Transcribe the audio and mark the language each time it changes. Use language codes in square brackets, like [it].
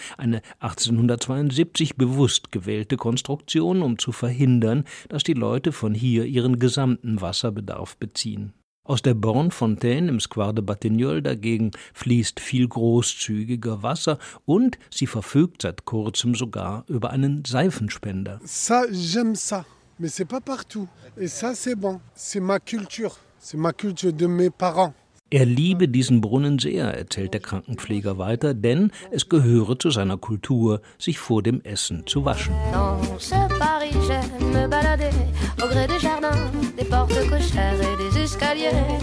[de] Eine 1872 bewusst gewählte Konstruktion, um zu verhindern, dass die Leute von hier ihren gesamten Wasserbedarf beziehen. Aus der Bornfontaine im Square de Batignolles dagegen fließt viel großzügiger Wasser und sie verfügt seit kurzem sogar über einen Seifenspender. [fr] Ça, j'aime ça. Mais c'est pas partout. Et ça, c'est bon. C'est ma culture de mes parents. [de] Er liebe diesen Brunnen sehr, erzählt der Krankenpfleger weiter, denn es gehöre zu seiner Kultur, sich vor dem Essen zu waschen. [fr] Dans ce Paris, j'aime me balader, au gré des jardins, des portes cochères et des escaliers.